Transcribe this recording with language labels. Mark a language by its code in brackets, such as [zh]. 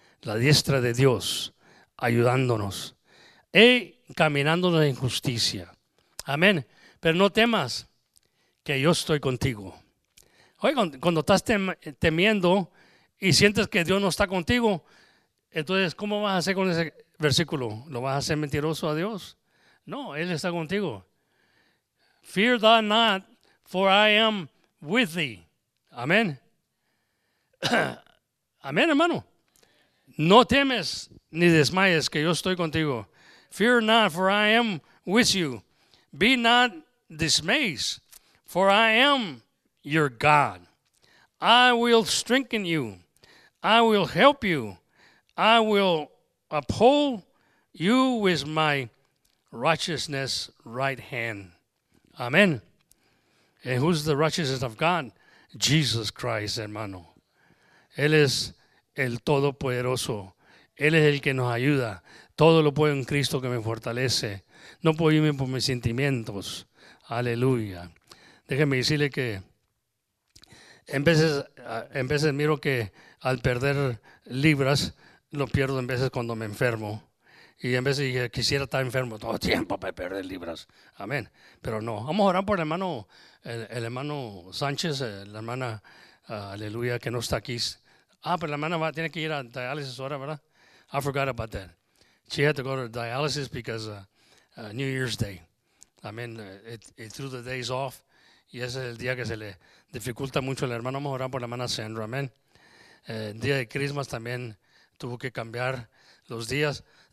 [es] La diestra de Dios ayudándonos. Y caminándonos en justicia. Amén. Pero no temas que yo estoy contigo. Oye, cuando estás temiendo y sientes que Dios no está contigo, entonces, ¿cómo vas a hacer con ese versículo? ¿Lo vas a hacer mentiroso a Dios? No, Él está contigo. [en] Fear thou not, for I am with thee. [es] Amén. Amén, hermano. No temes ni desmayes que yo estoy contigo. [en] Fear not, for I am with you. Be not dismayed, for I am your God. I will strengthen you. I will help you. I will uphold you with my righteousness right hand. Amen. And who's the righteousness of God? Jesus Christ, hermano. [es] Él es el Todopoderoso. Él es el que nos ayuda. Todo lo puedo en Cristo que me fortalece. No puedo irme por mis sentimientos. Aleluya. Déjeme decirle que en veces miro que al perder libras, lo pierdo en veces cuando me enfermo. Y en veces dije, quisiera estar enfermo todo el tiempo para perder libras. Amén. Pero no. Vamos a orar por el hermano Sánchez, la hermana, aleluya, que no está aquí. Ah, pero la hermana tiene que ir a diálisis ahora, ¿verdad? [en] I forgot about that. She had to go to dialysis because New Year's Day. I mean, it threw the days off. [es] Y ese es el día que se le dificulta mucho al hermano. Vamos a orar por la hermana Sandra. Amén. El día de Christmas también tuvo que cambiar los días.